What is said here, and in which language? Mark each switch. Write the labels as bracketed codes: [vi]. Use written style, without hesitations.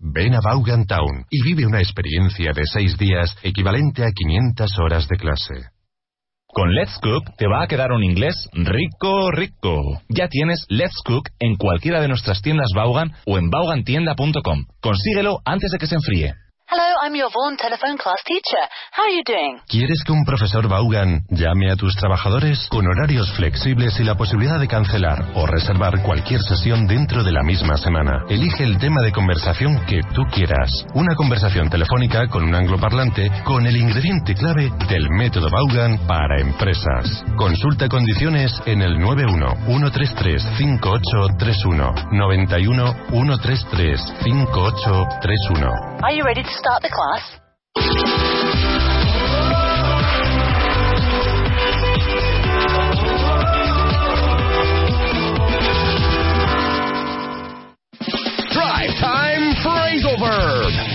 [es] Ven a Vaughan Town y vive una experiencia de 6 días equivalente a 500 horas de clase. Con Let's Cook te va a quedar un inglés rico, rico. Ya tienes Let's Cook en cualquiera de nuestras tiendas Vaughan o en vaughantienda.com. Consíguelo antes de que se enfríe. [en] Hello, I'm your Vaughan telephone class teacher. How are you doing? [es] ¿Quieres que un profesor Vaughan llame a tus trabajadores con horarios flexibles y la posibilidad de cancelar o reservar cualquier sesión dentro de la misma semana? Elige el tema de conversación que tú quieras. Una conversación telefónica con un angloparlante con el ingrediente clave del método Vaughan para empresas. Consulta condiciones en el 91-133-5831. 91-133-5831. [en] Are you ready to start the class? Drive Time Phrasal Verb!